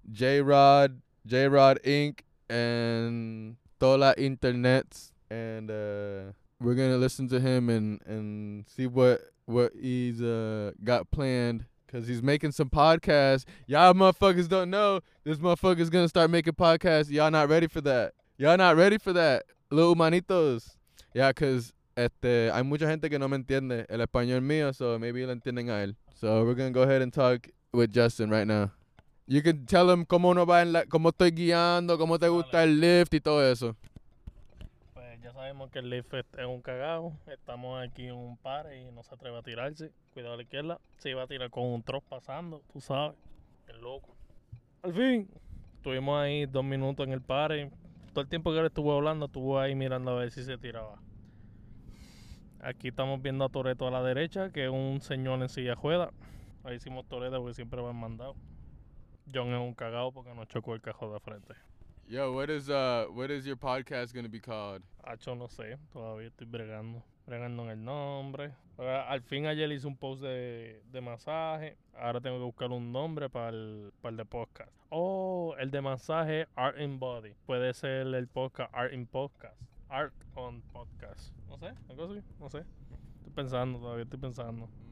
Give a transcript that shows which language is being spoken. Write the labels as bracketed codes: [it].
[en] J-Rod Inc., and Tola Internet, and we're gonna listen to him and see what he's got planned, cause he's making some podcasts. Y'all motherfuckers don't know this motherfucker's gonna start making podcasts. Y'all not ready for that, little manitos. Yeah, cause [es] hay mucha gente que no me entiende el español mío, [en] so maybe [es] lo entienden a él. [en] So we're gonna go ahead and talk with Justin right now. You can tell him [es] cómo no va, cómo estoy guiando, cómo te gusta el lift y todo eso. Pues ya sabemos que el lift es un cagado. Estamos aquí en un par y no se atreve a tirarse. Cuidado a la izquierda. Se iba a tirar con un tross pasando, tú sabes. Es loco. Al fin. Estuvimos ahí 2 minutos en el par. Todo el tiempo que él estuvo hablando, estuvo ahí mirando a ver si se tiraba. Aquí estamos viendo a Toretto a la derecha, que es un señor en silla juega. Ahí hicimos Toretto porque siempre va mandado. John es un cagado porque no chocó el cajón de frente. [en] Yo, what is your podcast going to be called? [es] Acho, no sé. Todavía estoy bregando en el nombre. Al fin ayer hice un post de masaje. Ahora tengo que buscar un nombre para el de podcast. Oh, el de masaje Art in Body. Puede ser el podcast Art in Podcast. Art on Podcast. No sé, algo así. No sé. Estoy pensando.